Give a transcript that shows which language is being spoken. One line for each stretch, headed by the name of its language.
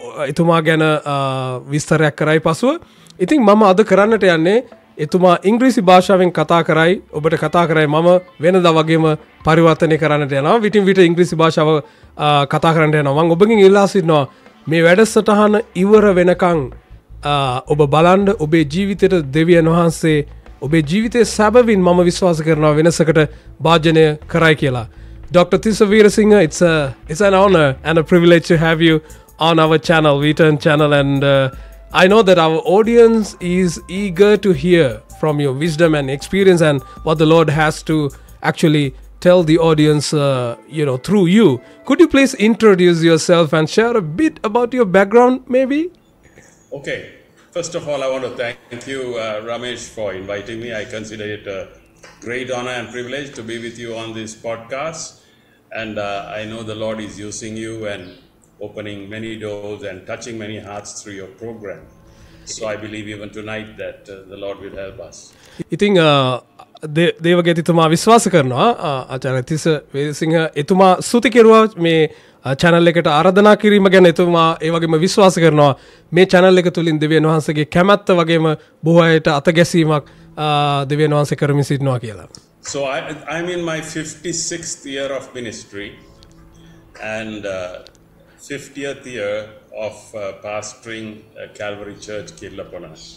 Sinhala: එතුමා ගැන විස්තරයක් කරයි පසුව. ඉතින් මම අද කරන්නට යන්නේ එතුමා ඉංග්‍රීසි භාෂාවෙන් කතා කරයි ඔබට කතා කරයි මම වෙනදා වගේම පරිවර්තනය කරන්නට යනවා. විටින් විට ඉංග්‍රීසි භාෂාව කතා කරන්න යනවා. මම ඔබගෙන් ඉල්ලා සිටිනවා මේ වැඩසටහන ඉවර වෙනකන් ඔබ බලන්න ඔබේ ජීවිතයට දෙවියන් වහන්සේ ඔබේ ජීවිතයේ සැබවින් මම විශ්වාස කරනවා වෙනසකට භාජනය කරයි කියලා.
English: Dr. Tissa Weerasinghe, it's an honor and a privilege to have you on our channel, V-Turn channel. And I know that our audience is eager to hear from your wisdom and experience and what the Lord has to actually tell the audience, you know, through you. Could you please introduce yourself and share a bit about your background, maybe? Okay. First of all, I want to thank you, Ramesh, for inviting me. I consider it a great honor and privilege to be with you on this podcast. And I know the Lord is using you and opening many doors and touching many hearts through your program. So I believe even tonight that the Lord will help us.
Sinhala: ඉතින් දේවගේ තුමා විශ්වාස කරනවා ආචාර්ය තිස්ස වේසිංහ එතුමා සුති කෙරුවා මේ channel එකට ආරාධනා කිරීම ගැන එතුමා ඒ වගේම විශ්වාස කරනවා මේ channel එක තුලින් දෙවියන් වහන්සේගේ කැමැත්ත වගේම බොහෝ අයට අත ගැසීමක් දෙවියන් වහන්සේ කරමින් සිටිනවා කියලා.
English: So I'm in my 56th year of ministry and 50th year of pastoring Calvary Church Kirlapona.